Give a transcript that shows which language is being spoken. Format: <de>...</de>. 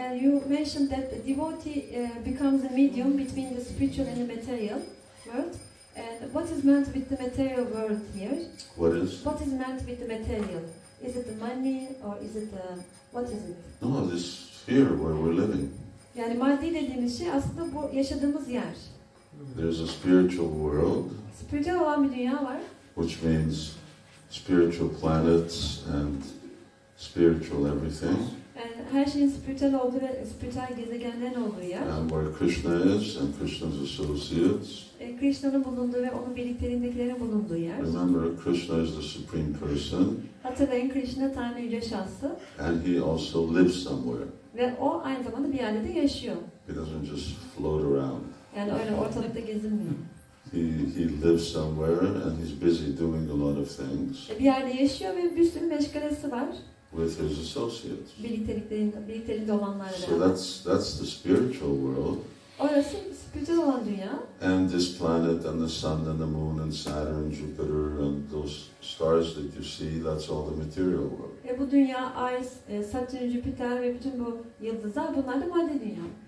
<en>You mentioned that the devotee becomes a medium between the spiritual and the material world. And what is meant with the material world here? What is? What is meant with the material? Is it the money or is it what is it? No, this here where we're living.</en> <tr>Yani maddi dediğimiz şey aslında bu yaşadığımız yer.</tr> <en>There's a spiritual world.</en> <tr>Spiritual olan bir dünya var.</tr> <en>Which means spiritual planets and spiritual everything.</en> <tr>Her şeyin spiritual olduğu ve spiritual gezegenlerin olduğu yer.</tr> <en>And where Krishna is and Krishna's associates.</en> <tr>Krishna'nın bulunduğu ve onun birliklerindekilerin bulunduğu yer.</tr> <en>Remember, Krishna is the supreme person.</en> <tr>Hatırlayın, Krishna Tanrı Yüce Şanslı.</tr> <en>And he also lives somewhere.</en> <tr>Ve o aynı zamanda bir yerde de yaşıyor.</tr> <en>He doesn't just float around.</en> <tr>Yani öyle ortalıkta gezinmiyor.</tr> <en>He lives somewhere and he's busy doing a lot of things.</en> <tr>Bir yerde yaşıyor ve bir sürü meşgalesi var.</tr> <en>With his associates.</en> <tr>Birliktelikte olanlarla.</tr> <en>So that's the spiritual world.</en> <tr>Orası spiritual olan dünya.</tr> <en>And this planet and the sun and the moon and Saturn and Jupiter and those stars that you see, that's all the material world.</en> <tr>Bu dünya, Ay, Satürn, Jüpiter ve bütün bu yıldızlar, bunlar da madde dünya.</tr>